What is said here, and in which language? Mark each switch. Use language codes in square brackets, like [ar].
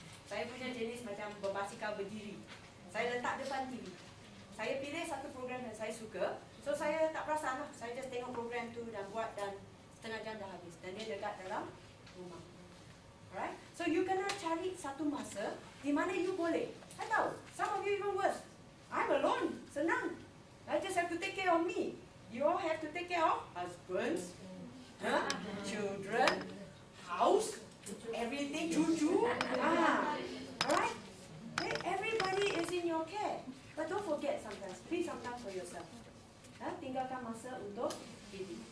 [ms] Saya punya jenis macam berbasikal berdiri. Saya letak depan TV. Saya pilih satu program yang saya suka. So, saya tak perasan lah. Saya just tengok program tu dan buat dan setengah jam dah habis. Dan dia dekat dalam rumah. Alright? So, you kena cari satu masa di mana you boleh. [en] I tahu, some of you even worse. I'm alone. Senang. I just have to take care of me. You all have to take care of husbands, children, house, everything, cucu. Alright? Okay? Everybody is in your care. But don't forget sometimes. Be some time for yourself. [ms] Tinggalkan masa untuk diri.